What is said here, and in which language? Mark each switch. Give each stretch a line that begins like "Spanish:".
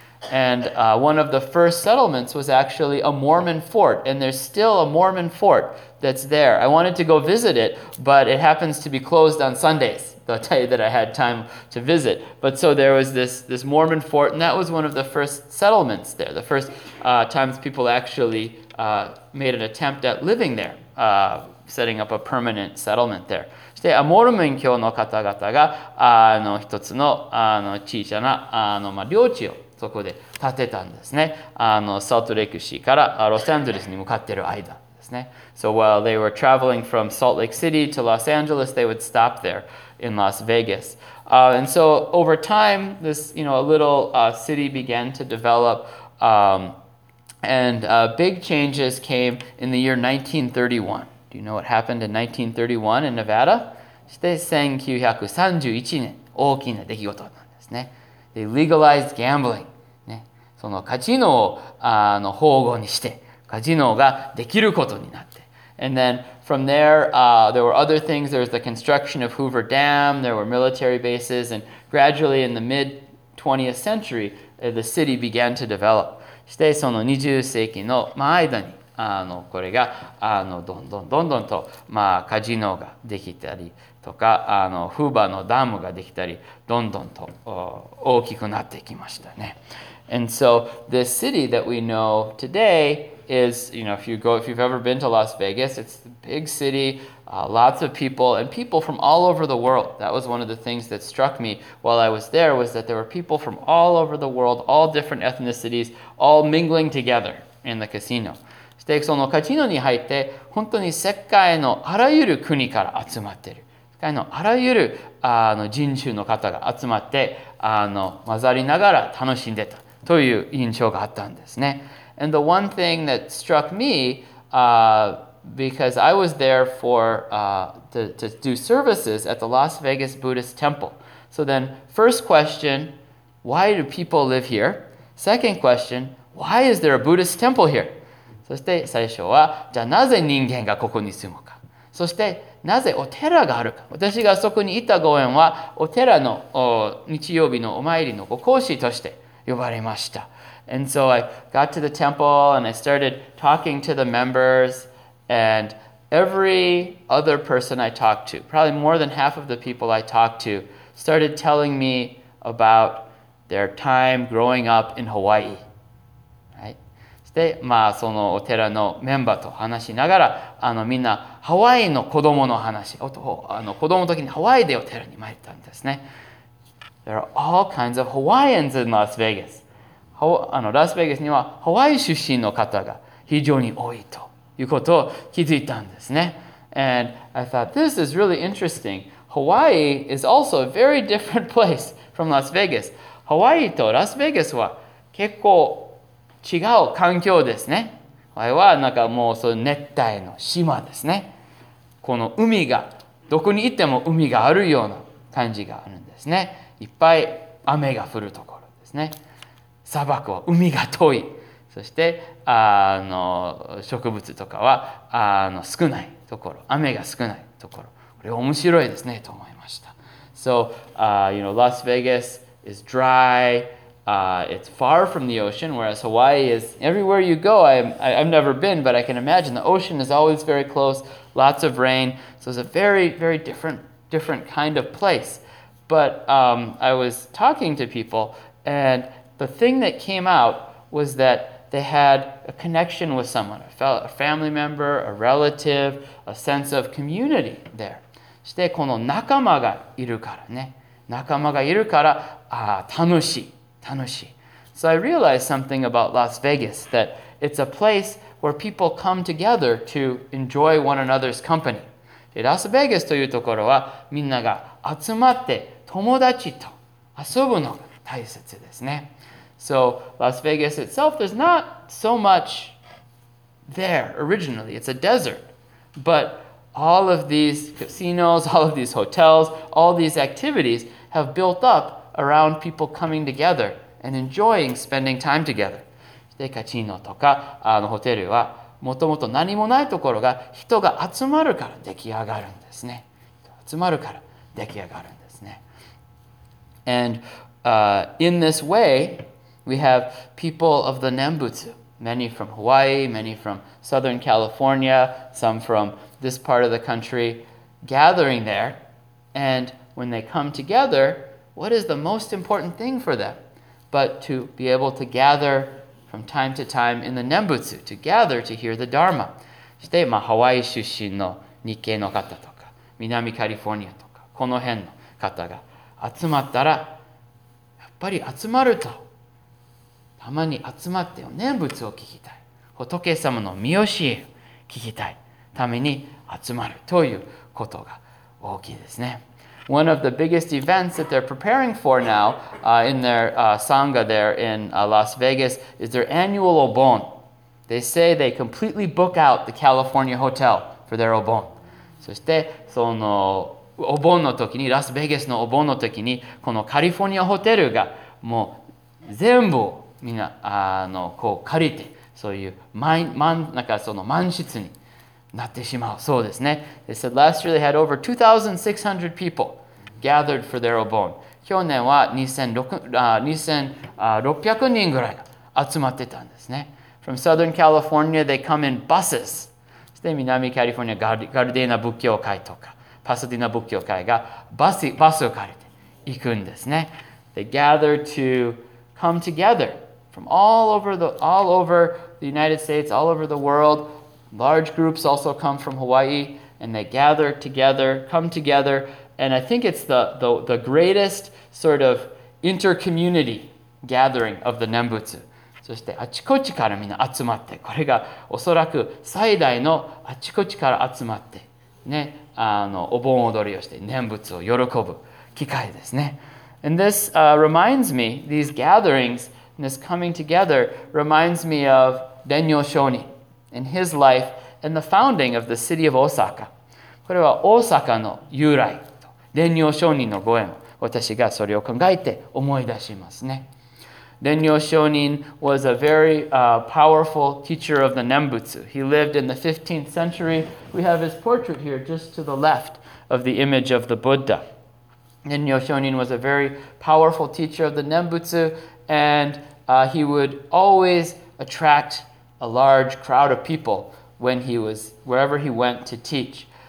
English: And one of the first settlements was actually a Mormon fort, and there's still a Mormon fort that's there. I wanted to go visit it, but it happens to be closed on Sundays. I'll tell you that I had time to visit. But so there was this Mormon fort, and that was one of the first settlements there, the first times people actually made an attempt at living there, setting up a permanent settlement there.
Japanese: して、モルモン教の方々が、一つの、小さな、まあ、領地をそこで建てたんですね。サルトレイク市からロサンゼルスに向かっている間ですね。
English: So while they were traveling from Salt Lake City to Los Angeles, they would stop there in Las Vegas. And so over time, this, you know, a little, city began to develop, and big changes came in the year 1931. Do you know what happened in 1931 in Nevada?
Japanese: して1931年、大きな出来事なんですね。
English: They legalized gambling.
Japanese: ね、そのカジノを、保護にして、カジノができることになって。
English: And then from there, there were other things. There was the construction of Hoover Dam. There were military bases. And gradually in the mid-20th century, the city began to develop.
Japanese: してその20世紀の間に、これがどんどんどんどんと、まあ、カジノができたりとかフーバーのダムができたりどんどんと大きくなってきましたね。
English: And so this city that we know today is, you know, if you've ever been to Las Vegas, it's a big city, lots of people, and people from all over the world. That was one of the things that struck me while I was there, was that there were people from all over the world, all different ethnicities, all mingling together in the casino.
Japanese: で、そのカジノに入って、本当に世界のあらゆる国から集まっている。世界のあらゆる人種の方が集まって、混ざりながら楽しんでたという印象があったんですね。
English: And the one thing that struck me, because I was there for, to do services at the Las Vegas Buddhist Temple. So then, first question, why do people live here? Second question, why is there a Buddhist temple here?
Japanese: そして最初は、じゃあなぜ人間がここに住むか。そしてなぜお寺があるか。私がそこにいたご縁は、お寺の日曜日のお参りのご講師として呼ばれました。
English: And so I got to the temple and I started talking to the members and every other person I talked to, probably more than half of the people I talked to, started telling me about their time growing up in Hawaii.
Japanese: で、まあ、そのお寺のメンバーと話しながら、みんな、ハワイの子供の話、子供の時にハワイでお寺に参ったんですね。
English: There are all kinds of Hawaiians in Las Vegas.
Japanese: ラスベガスにはハワイ出身の方が非常に多いということを気づいたんですね。
English: And I thought, this is really interesting. Hawaii is also a very different place from Las Vegas.
Japanese: ハワイとラスベガスは結構違う環境ですね。これはなんかもうその熱帯の島ですね。この海が、どこに行っても海があるような感じがあるんですね。いっぱい雨が降るところですね。砂漠は海が遠い。そして、植物とかは少ないところ。雨が少ないところ。これ面白いですねと思いました。
English: So, you know, Las Vegas is dry. It's far from the ocean, whereas Hawaii is everywhere you go. I've never been, but I can imagine the ocean is always very close, lots of rain. So it's a very, very different kind of place. But I was talking to people, and the thing that came out was that they had a connection with someone, a family member, a relative, a sense of community there.
Japanese: そしてこの仲間がいるからね。仲間がいるから、楽しい。
English: So I realized something about Las Vegas, that it's a place where people come together to enjoy one another's company.
Japanese: ラスベガスというところはみんなが集まって友達と遊ぶのが大切ですね。
English: So Las Vegas itself, there's not so much there originally. It's a desert. But all of these casinos, all of these hotels, all these activities have built up around people coming together. And enjoying spending time together.
Japanese: で、カジノとか、ホテルは、もともと何もないところが、人が集まるから出来上がるんですね。集まるから出来上がるんですね。
English: And, in this way, we have people of the Nembutsu. Many from Hawaii, many from Southern California, some from this part of the country, gathering there. And when they come together, what is the most important thing for them? But to be able to gather from time to time in the Nembutsu, to gather to hear the Dharma.
Japanese: そして、まあ、ハワイ出身の日系の方とか、南カリフォルニアとかこの辺の方が集まったら、やっぱり集まるとたまに集まってお念仏を聞きたい、仏様の御教えを聞きたいために集まるということが大きいですね。
English: One of the biggest events that they're preparing for now in their Sangha there in Las Vegas is their annual Obon. They say they completely book out the California Hotel for their Obon.
Japanese: そしてそのお盆の時に、ラスベガスのお盆の時に、このカリフォルニアホテルがもう全部みんなこう借りて、そういう満室に。なってしまう。そうですね。
English: They said last year they had over 2,600 people gathered for their Obon.
Japanese: 去年は2,600 人ぐらい集まってたんですね。
English: From Southern California, they come in buses.
Japanese: で、南カリフォルニアガルディーナ仏教会とか、パサディナ仏教会がバスを借りて行くんですね。
English: They gather to come together from all over the United States, all over the world. Large groups also come from Hawaii, and they gather together, come together, and I think it's the greatest sort of inter-community gathering of the Nembutsu.
Japanese: そしてあちこちからみんな集まって、これがおそらく最大のあちこちから集まって、ね、お盆踊りをして念仏を喜ぶ機会ですね。
English: And this reminds me, these gatherings, this coming together, reminds me of Denyo Shoni. In his life and the founding of the city of Osaka.
Japanese: これは大阪の由来と蓮如上人のご縁を私がそれを考えて思い出しますね。
English: 蓮如上人 was a very powerful teacher of the Nembutsu. He lived in the 15th century. We have his portrait here just to the left of the image of the Buddha. 蓮如上人 was a very powerful teacher of the Nembutsu and he would always attracta large crowd of people wherever he went to teach.